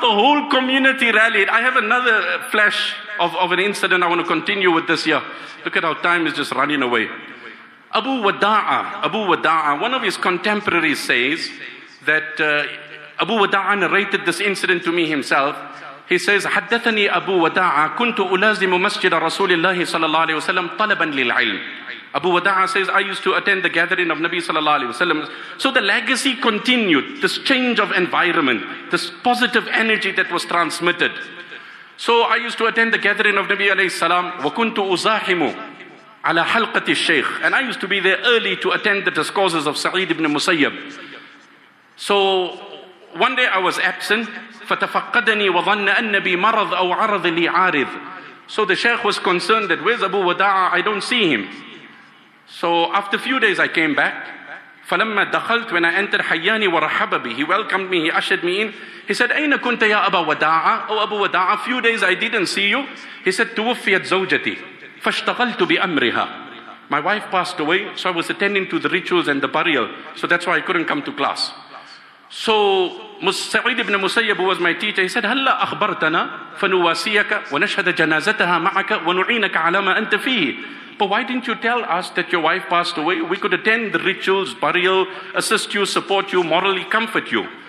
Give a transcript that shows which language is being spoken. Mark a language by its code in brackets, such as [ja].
[en] The whole community rallied. I have another flash of an incident I want to continue with this year. Look at how time is just running away. Abu Wada'a, one of his contemporaries says that Abu Wada'a narrated this incident to me himself. He says, [ar] حدثني أبو وداعة كنت ألازم مسجد رسول الله صلى الله عليه وسلم طلبا للعلم. [en] Abu Wada'a says, I used to attend the gathering of Nabi صلى الله عليه وسلم. So the legacy continued, this change of environment, this positive energy that was transmitted. So I used to attend the gathering of Nabi [ar] عليه السلام وكنت أزاحم على حلقة الشيخ. [en] And I used to be there early to attend the discourses of Sa'id ibn Musayyib. So one day I was absent. [ar] فتفقدني وظن أن بي مرض أو عرض لي عارض. [en] So the Sheikh was concerned that where's Abu Wada'a? I don't see him. So after a few days I came back. [ar] فلما دخلت, [en] when I entered, [ar] حياني ورحب بي. [en] He welcomed me, he ushered me in. [ar] He said, أين كنت يا أبا Wada'a? [en] Oh Abu Wada'a, a few days I didn't see you. He said, [ar] توفيت زوجتي فاشتغلت بأمرها. [en] My wife passed away, so I was attending to the rituals and the burial. So that's why I couldn't come to class. So Sa'id ibn Musayyib, who was my teacher, he said, [ar] هَلَّا أَخْبَرْتَنَا فَنُوَاسِيَكَ وَنَشْهَدَ جَنَازَتَهَا مَعَكَ وَنُعِينَكَ عَلَى مَا أَنْتَ فِيهِ. [en] But why didn't you tell us that your wife passed away? We could attend the rituals, burial, assist you, support you, morally comfort you.